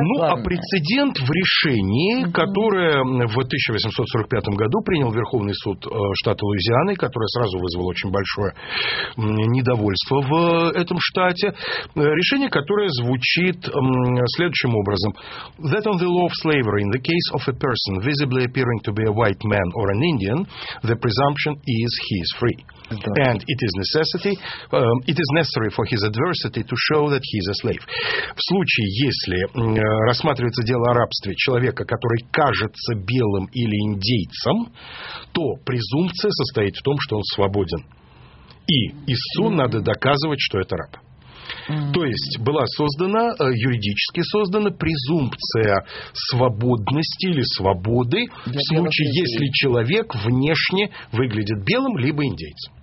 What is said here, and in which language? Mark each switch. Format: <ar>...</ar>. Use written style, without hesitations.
<ru>Ну, главное. А прецедент в решении, которое в 1845 году принял Верховный суд штата Луизианы, которое сразу вызвало очень большое недовольство в этом штате. Решение, которое звучит следующим образом.</ru> <en>That on the law of slavery, in the case of a person visibly appearing to be a white man or an Indian, the presumption is he is free. And it is necessary for his adversity to show that he is a slave.</en> <ru>В случае, если рассматривается дело о рабстве человека, который кажется белым или индейцем, то презумпция состоит в том, что он свободен. И истцу надо доказывать, что это раб. То есть была создана, юридически создана презумпция свободности или свободы в случае, если человек внешне выглядит белым либо индейцем.</ru>